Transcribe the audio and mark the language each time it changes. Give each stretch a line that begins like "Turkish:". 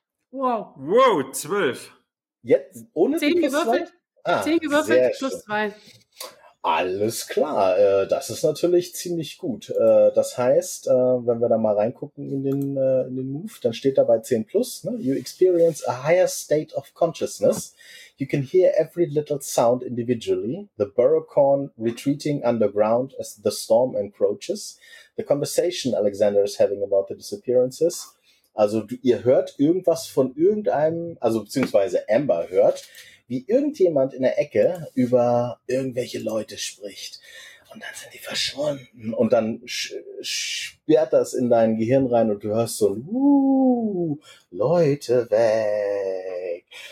German: Wow, 12. Jetzt ohne 10 gewürfelt. 10 gewürfelt, plus 2. Alles klar, das ist natürlich ziemlich gut. Das heißt, wenn wir da mal reingucken in den Move, dann steht da bei 10 plus, ne?
English: You experience a higher state of consciousness. You can hear every little sound individually. The Burrowcorn retreating underground as the storm encroaches. The conversation Alexander is having about the disappearances.
German: Also ihr hört irgendwas von irgendeinem, also beziehungsweise Amber hört, wie irgendjemand in der Ecke über irgendwelche Leute spricht. Und dann sind die verschwunden. Und dann sperrt das in dein Gehirn rein und du hörst so ein Leute weg.